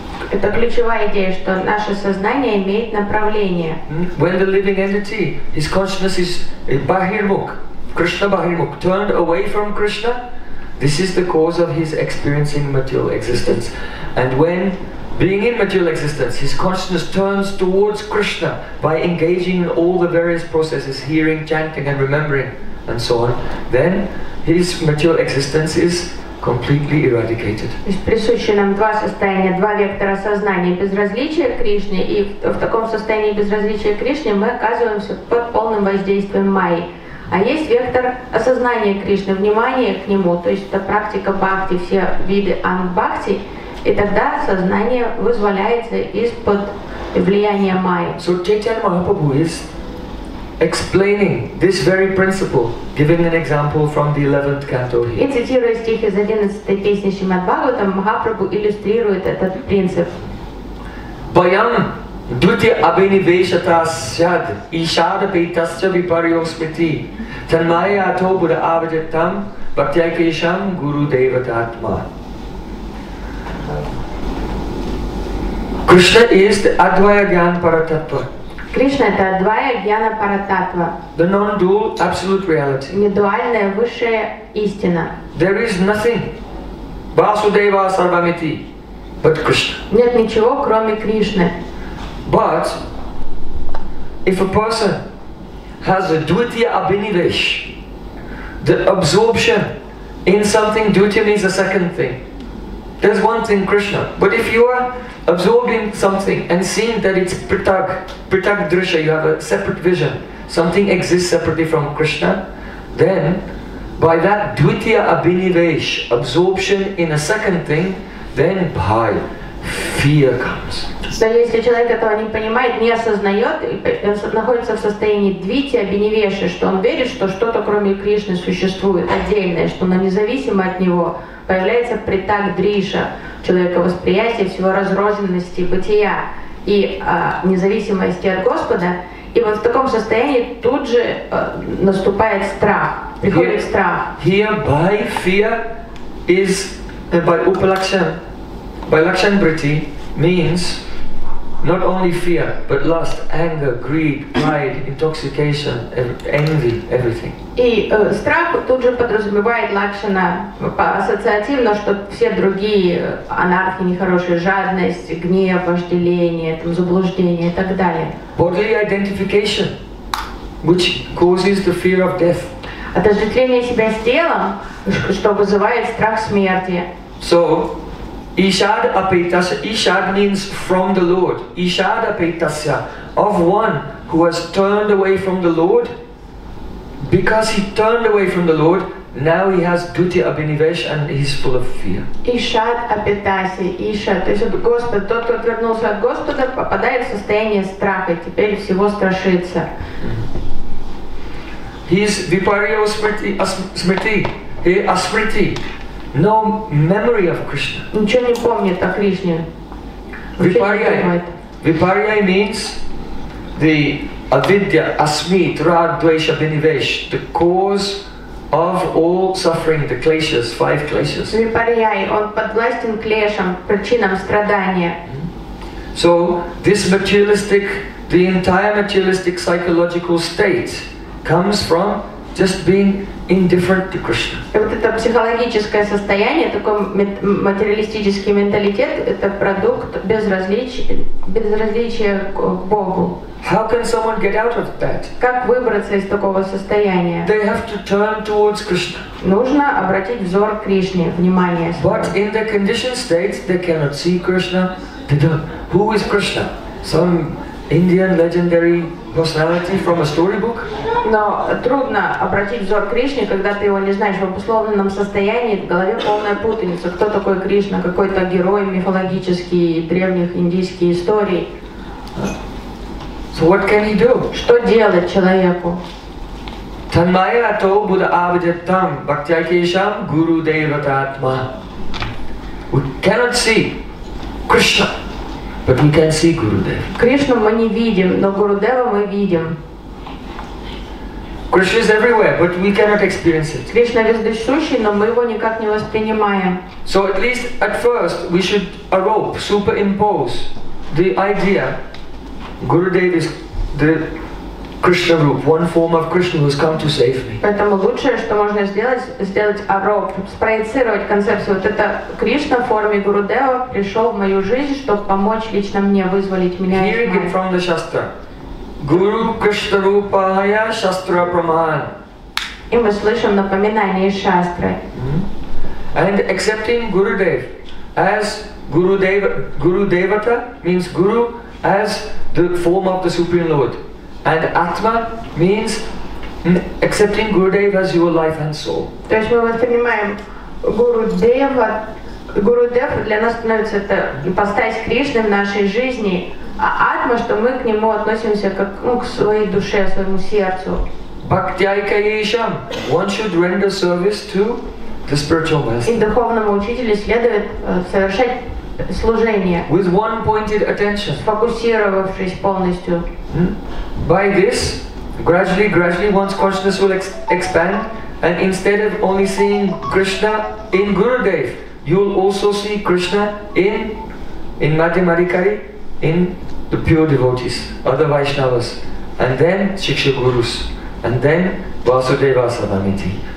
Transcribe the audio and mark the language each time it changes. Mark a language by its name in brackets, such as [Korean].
[Russian] Это ключевая идея, что наше сознание имеет направление. [English] When the living entity, his consciousness is Bahirmuk, Krishna Bahirmuk, turned away from Krishna, this is the cause of his experiencing material existence. And when being in material existence, his consciousness turns towards Krishna by engaging in all the various processes, hearing, chanting and remembering and so on, then his material existence is completely eradicated. [Russian] То есть присущи нам два состояния, два вектора сознания, безразличие к Кришне, и в таком состоянии безразличия к Кришне мы оказываемся под полным воздействием Майи. А есть вектор осознания Кришны, внимания к Нему, то есть это практика бхакти, все виды ангбхакти, и тогда сознание вызволяется из-под влияния Майи. [English] So Chaitanya Mahaprabhu is explaining this very principle, giving an example from the 11th canto here. [Russian] И цитируя стих из 11-й песни Шримад-Бхагаватам, Махапрабху иллюстрирует этот принцип. [Sanskrit] Bayam Dutya abhinivesata syad ishada petasya viparyosmiti tanmaya ato buddha avajattam bhaktyakesham guru devatatma. [English] Krishna is the advaya jnana paratattva. Krishna is the advaya jnana paratattva. The non-dual absolute reality. [Russian] Недуальная высшая истина. [English] There is nothing [Sanskrit] vasudeva sarvamiti [English] but Krishna. [Russian] Нет ничего кроме Кришны. [English] But if a person has a dvitiya abhinivesh, the absorption in something, dvitiya means a second thing. There's one thing, Krishna. But if you are absorbing something and seeing that it's pritag, pritag drisha, you have a separate vision, something exists separately from Krishna, then by that dvitiya abhinivesh, absorption in a second thing, then bhaya. Fear comes. [Russian] Да, если человек этого не понимает, не осознает, находится в состоянии двити, обиневеши, что он верит, что что-то кроме Кришны существует отдельное, что оно независимо от него, появляется притак дриша, человека восприятия всего разрозненности бытия и независимости от Господа, и вот в таком состоянии тут же наступает страх, приходит [English] here, [Russian] страх. [English] Here by fear is by upalakshana. By lakshanvritti means not only fear, but lust, anger, greed, pride, intoxication, envy, everything. [Russian] И страх тут же подразумевает лакшана ассоциативно, что все другие анархи, нехорошие, жадность, гнев, вожделение, там, заблуждение и так далее. [English] Bodily identification, which causes the fear of death. [Russian] Отождествление себя с телом, что вызывает страх смерти. [English] So, [Sanskrit] Ishad apetasya. [English] Ishad means from the Lord. [Sanskrit] Ishad apetasya. [English] Of one who has turned away from the Lord, because he turned away from the Lord, Now he has Duti Abhinivesh and he's full of fear. [Sanskrit] Ишат Апитаси, Ишат. [Russian] То есть Господь, тот, кто отвернулся от Господа, попадает в состояние страха, теперь всего страшится. [English] He is Vipariya Smriti. He Asmriti. No memory of Krishna. [Russian] Ничего не помнит о Кришне. [English] Vipariya means the avidya, asmit, rag, dvesha, binivesh, the cause of all suffering, the kleshas, five kleshas. [Russian] Vipariyai, он подвластен клешам, причинам страдания. [English] So this materialistic, the entire materialistic psychological state comes from just being indifferent to Krishna. [Russian] И вот это психологическое состояние, такой материалистический менталитет, это продукт безразличия к Богу. [English] How can someone get out of that? [Russian] Как выбраться из такого состояния? [English] They have to turn towards Krishna. [Russian] Нужно обратить взор к Кришне, внимание. [English] But in the conditioned state, they cannot see Krishna. They don't. Who is Krishna? Some Indian legendary personality from a storybook? [Russian] Но трудно обратить взор к Кришне, когда ты его не знаешь в обусловленном состоянии, в голове полная путаница. Кто такой Кришна? Какой-то герой мифологический древних индийских историй. [English] So what can he do? [Russian] Что делать человеку? [Sanskrit] Tanmaya ato buddha avajattam bhaktyakesham guru devatatma. [English] We cannot see Krishna, but we can see Gurudev. [Russian] Кришну мы не видим, но Гурудева мы видим. [English] Krishna is everywhere, but we cannot experience it. [Russian] Кришна вездесущий, но мы его никак не воспринимаем. [English] So at least at first we should arope, superimpose the idea Gurudev is the Krishna Roop, one form of Krishna who has come to save me. [Russian] Поэтому лучшее, что можно сделать, сделать ароп, спроецировать концепцию. Вот это Кришна в форме Гурудева пришел в мою жизнь, чтобы помочь лично мне, вызволить меня. [English] Hearing it from the Shastra. [Sanskrit] Guru Krishna Roopaya Shastra Praman. [Russian] И мы слышим напоминание из Шастры. [English] And accepting Gurudev as Guru Devata means Guru as the form of the Supreme Lord, and Atma means accepting Gurudev as your life and soul. [Russian] То есть мы воспринимаем Гурудев для нас становится это ипостась Кришны в нашей жизни, а Атма, что мы к нему относимся как к своей душе, своему сердцу. [English] Bhaktyaikayesham, one should render service to the spiritual master. [Russian] И духовному учителю следует совершать служение. [English] With one-pointed attention. [Russian] Сфокусировавшись полностью. [English] By this, gradually one's consciousness will expand, and instead of only seeing Krishna in Gurudev, you'll also see Krishna in Madhyamadikari, in the pure devotees, other Vaishnavas, and then Shikshagurus, and then [Sanskrit] Vasudeva Sadamiti.